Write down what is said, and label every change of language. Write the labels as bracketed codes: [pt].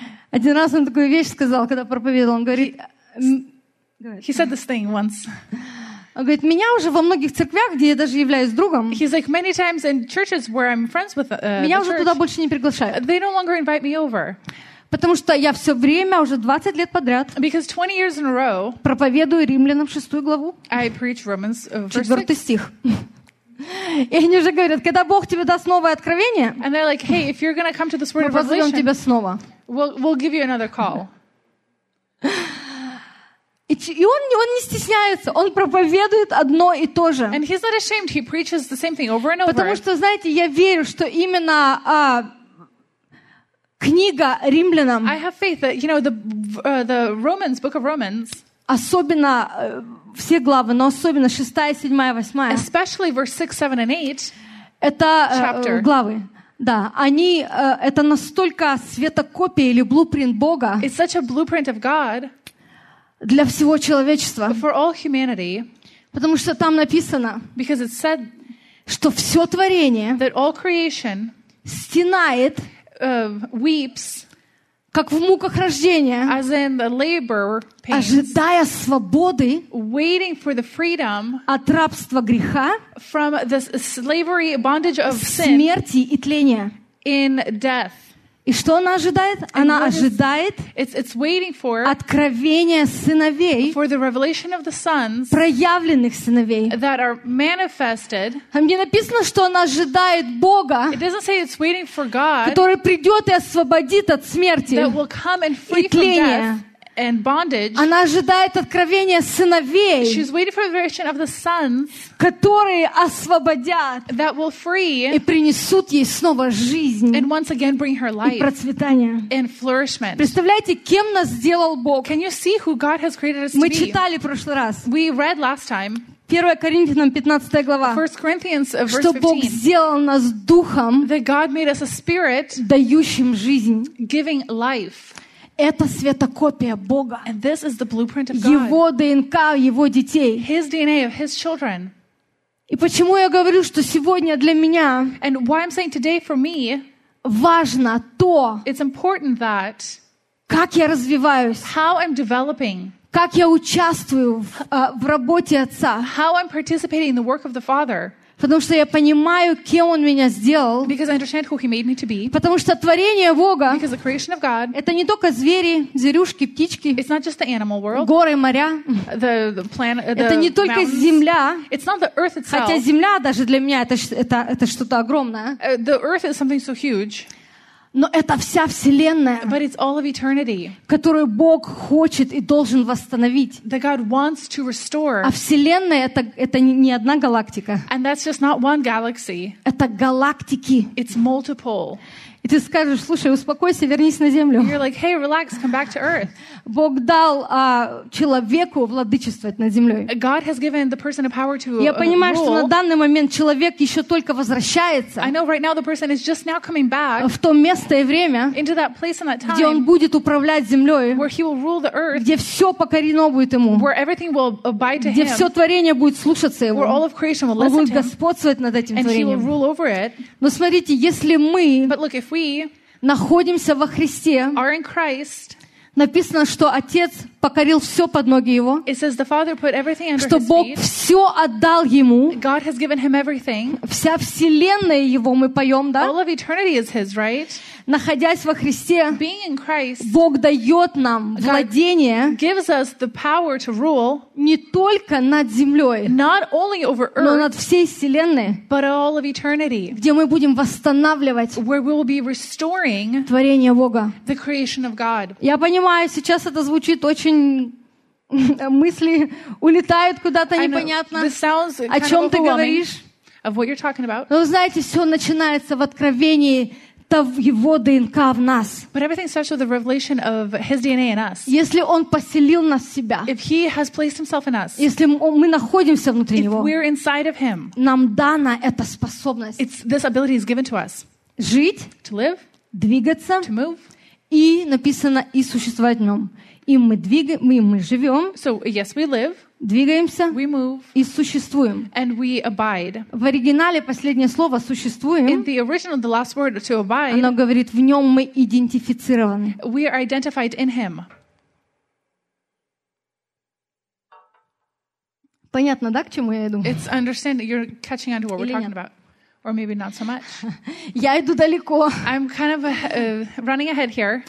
[ru] Один раз он такую вещь сказал, когда проповедовал. Он говорит... [en] He said this thing once. [ru] Он говорит, меня уже во многих церквях, где я даже являюсь другом, [en] he's like, many times in churches where I'm friends with the church, [ru] меня уже туда больше не приглашают. [en] They no longer invite me over. [ru] Потому что я все время, уже 20 лет подряд, [en] because 20 years in a row, [ru] проповедую Римлянам 6 главу. [en] I preach Romans, verse [ru] 4 стих. И они уже говорят, когда Бог тебе даст новое откровение, [en] and they're like, hey, if you're gonna come to this word of revelation, [ru] мы позовем тебя снова. [en] We'll give you another call. [ru] И он не стесняется, он проповедует одно и то же. [en] And he's not ashamed, he preaches the same thing over and over. [ru] Потому что, знаете, я верю, что именно книга Римлянам, [en] I have faith that, you know, the Romans, Book of Romans, [ru] особенно все главы, но особенно 6, 7, 8. [en] Especially verse 6, 7 and 8. [ru] Это chapter. Главы. Да, они это настолько светокопия или блупринт Бога. [en] It's such a blueprint of God. [ru] Для всего человечества. [en] For all humanity. [ru] Потому что там написано, [en] because it said, [ru] что все творение [en] that all creation [ru] стенает, [en] weeps, [ru] как в муках рождения, [en] as in the labor pains, [ru] ожидая свободы, [en] waiting for the freedom, [ru] от рабства греха, [en] from the slavery, bondage of sin, [ru] смерти и тления, [en] in death. [ru] И что она ожидает? [en] And [ru] она ожидает [en] it's [ru] откровения сыновей, [en] for the revelation of the sons, [ru] проявленных сыновей. [en] That are manifested. [ru] Там не написано, что она ожидает Бога, [en] it doesn't say it's waiting for God, [ru] который придет и освободит от смерти [en] that will come and free [ru] и тления. [en] And bondage. [ru] Она ожидает откровения сыновей, [en] she's waiting for the revelation of the sons, [ru] которые освободят, [en] that will free, [ru] и принесут ей снова жизнь, [en] and once again bring her life, [ru] и процветание, [en] and flourishment. [ru] Представляете, кем нас сделал Бог? [en] Can you see who God has created us to be? [ru] Мы читали в прошлый раз. [en] We read last time. [ru] 1 Коринфянам 15 глава. [en] First Corinthians, verse [ru] 15. Что Бог сделал нас духом, [en] that God made us a spirit, [ru] дающим жизнь, [en] giving life. [ru] Это светокопия Бога. [en] And this is the blueprint of God. [ru] Его ДНК, его детей. [en] His DNA of his children. [ru] И почему я говорю, что сегодня для меня, [en] and why I'm saying today for me, [ru] важно то, [en] it's important that, [ru] как я развиваюсь, [en] how I'm developing, [ru] как я участвую в работе Отца, [en] how I'm participating in the work of the Father. [ru] Потому что я понимаю, кем он меня сделал. [en] Because I understand who he made me to be. [ru] Потому что творение Бога, [en] because the creation of God, [ru] это не только звери, зверюшки, птички, [en] it's not just the animal world, [ru] горы, моря, [en] the planet, the [ru] это не только [en] mountains, [ru] земля, [en] it's not the earth itself, [ru] хотя земля даже для меня это что-то огромное. [en] The earth is something so huge. [ru] Но это вся вселенная, [en] but it's all of eternity, [ru] которую Бог хочет и должен восстановить. [en] That God wants to restore. [ru] А вселенная это не одна галактика. [en] And that's just not one galaxy. [ru] Это галактики. [en] It's multiple. [ru] И ты скажешь, слушай, успокойся, вернись на землю. [en] You're like, hey, relax, come back to earth. [ru] Бог дал человеку владычествовать над землей. [en] God has given the person a power to rule. [ru] Я понимаю, [en] rule, [ru] что на данный момент человек еще только возвращается. [en] I know right now the person is just now coming back. [ru] В то место и время, [en] into that place and that time, [ru] где он будет управлять землей, [en] where he will rule the earth, [ru] где все покорено будет ему, [en] where everything will abide to [ru] где [en] him, [ru] все творение будет слушаться его, [en] where all of creation will listen to him, [ru] он будет господствовать над этим [en] and [ru] творением. [en] He will rule over it. [ru] Но смотрите, если мы, [en] but look, if we [ru] находимся во Христе, [en] are in Christ, [ru] написано, что Отец покорил все под ноги Его, [en] it says the Father put everything under [ru] что [en] his [ru] Бог [en] feet, [ru] все отдал Ему, [en] God has given him everything, [ru] вся Вселенная Его, мы поем, да? [en] All of eternity is his, right? [ru] Находясь во Христе, [en] being in Christ, [ru] Бог дает нам владение, [en] God gives us the power to rule, [ru] не только над землей, [en] not only over earth, [ru] но над всей Вселенной, [en] but all of eternity, [ru] где мы будем восстанавливать, [en] where we will be restoring, [ru] творение Бога. [en] The creation of God. [ru] Я понимаю, сейчас это звучит очень мысли улетают куда-то непонятно, о чем ты говоришь. Но вы знаете, все начинается в откровении Его ДНК в нас. [en] But everything starts with the revelation of his DNA in us. [ru] Если он поселил нас в себя, [en] if he has placed himself in us, [ru] если мы находимся внутри него, [en] if we're inside of him, [ru] нам дана эта способность, [en] it's, this ability is given to us, [ru] жить, [en] to live, [ru] двигаться, [en] to move, [ru] и написано, и существовать в нем. И мы живем, [en] so, yes, we live, [ru] двигаемся, [en] we move, [ru] и существуем. [en] And we abide. [ru] В оригинале последнее слово «существуем», [en] in the original, the last word, to abide, [ru] оно говорит, в нем мы идентифицированы. [en] We are identified in him. [ru] Понятно, да, к чему я иду? [en] It's understanding, you're catching on to what we're talking about. Or maybe not so much. [ru] Я иду далеко. [en] I'm kind of running ahead here.